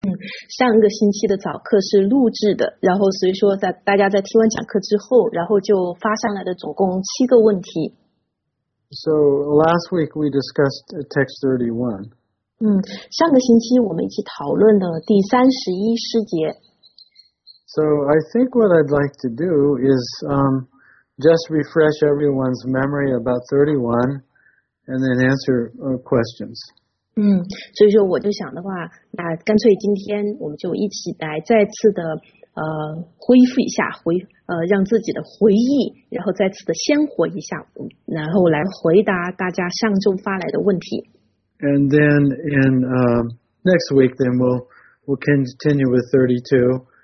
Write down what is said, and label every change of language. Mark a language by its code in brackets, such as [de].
[zh] 上个星期的早课是录制的，然后所以说在大家在听完讲课之后，然后就发上来的总共七个问题。 [en] So last week we discussed text 31. [zh] 上个星期我们一起讨论了第31诗节。 [en] So I think what I'd like to do is just refresh everyone's memory about 31 and then answer questions. [zh] 所以说我就想的话，那干脆今天我们就一起来再次的恢复一下回让自己的回忆然后再次的鲜活一下，然后来回答大家上周发来的问题。 [en] And then in next week then we'll continue with 32.